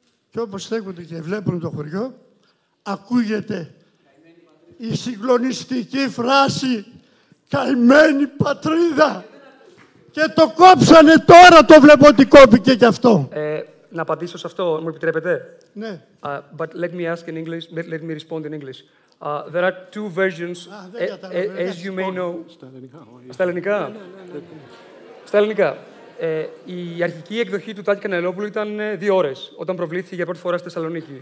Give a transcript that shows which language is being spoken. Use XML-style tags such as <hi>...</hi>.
<el>Και όπως στέκονται και βλέπουν το χωριό, ακούγεται η συγκλονιστική φράση «Καημένη πατρίδα». Και το κόψανε τώρα, το βλέπω ότι κόπηκε κι αυτό. Να απαντήσω σε αυτό, μου επιτρέπετε. Ναι.</el> <en>But let me ask in English, let me respond in English. There are two versions, as you may know.</en> <el>Στα ελληνικά. Στα ελληνικά. Η αρχική εκδοχή του Τάκη Κανελλόπουλου ήταν δύο ώρες, όταν προβλήθηκε για πρώτη φορά στη Θεσσαλονίκη.</el>